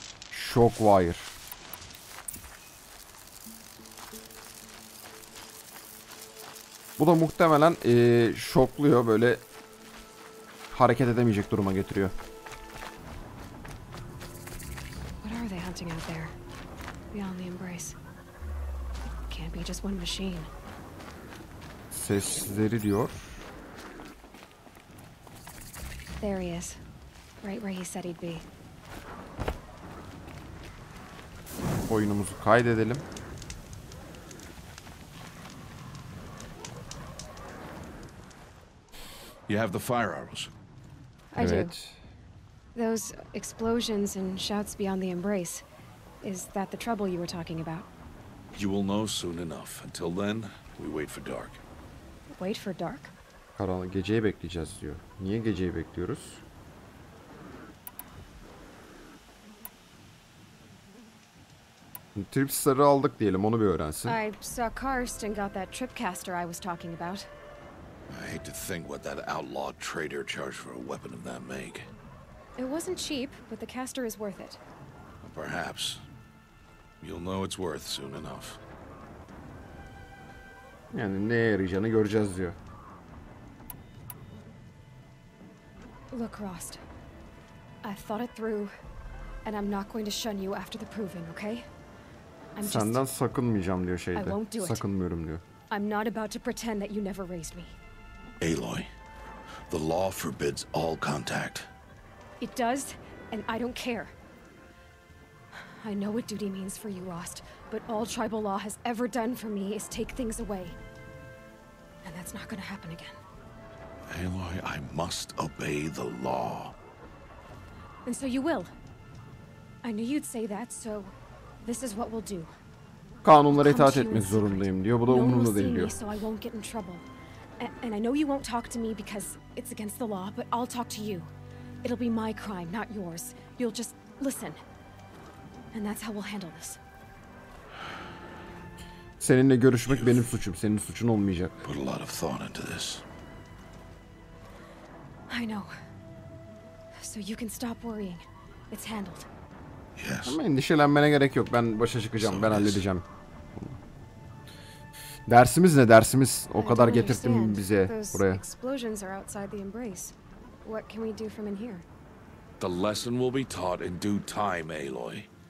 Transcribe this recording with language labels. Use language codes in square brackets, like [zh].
[en] Shock wire. [tr] Bu da muhtemelen şokluyor böyle. Hareket edemeyecek duruma getiriyor. [en] What are they hunting out there? Beyond the embrace. Can't be just one machine. [tr] Sesleri diyor. [en] There he is. Right where he said he'd be. [tr] Oyunumuzu kaydedelim. [en] You have the fire arrows. [tr] Evet. [en] Those explosions and shouts beyond the embrace. Is that the trouble you were talking about? You will know soon enough. Until then, we wait for dark. Wait for dark? [tr] Karanlık, geceyi bekleyeceğiz diyor. Niye geceyi bekliyoruz? Tripcaster'ı aldık diyelim, onu bir öğrensin. [en] I saw Karst and got that tripcaster I was talking about. I hate to think what that outlaw trader charged for a weapon of that make. It wasn't cheap, but the caster is worth it. Perhaps. You'll know it's worth soon enough. [tr] Yani ne yarayacağını göreceğiz diyor. [en] Look, Rost. I've thought it through, and I'm not going to shun you after the proving, okay? I'm just... [tr] Senden sakınmayacağım diyor şeyde. [en] I won't do it. [tr] Sakınmıyorum diyor. [en] I'm not about to pretend that you never raised me. Aloy, the law forbids all contact. It does, and I don't care. I know what duty means for you, Rost, but all tribal law has ever done for me is take things away. And that's not gonna happen again. Aloy, I must obey the law. And so you will. I knew you'd say that, so this is what we'll do. [tr] Kanunlara itaat etmek zorundayım diyor, bu da umurumda değil diyor. [en] So I won't get in trouble. And I know you won't talk to me because it's against the law, but I'll talk to you. It'll be my crime, not yours. You'll just listen. And that's how we'll handle this. [tr] Seninle görüşmek benim suçum. Senin suçun olmayacak. [en] Put a lot of thought into this. I know. So you can stop worrying. It's handled. Yes. [tr] Ama endişelenmene gerek yok. Ben başa çıkacağım. So ben halledeceğim. Dersimiz ne dersimiz? O kadar getirdim bize buraya. [en] Explosions are outside the embrace. What can we do from in here? The lesson will be taught in due time, Aloy.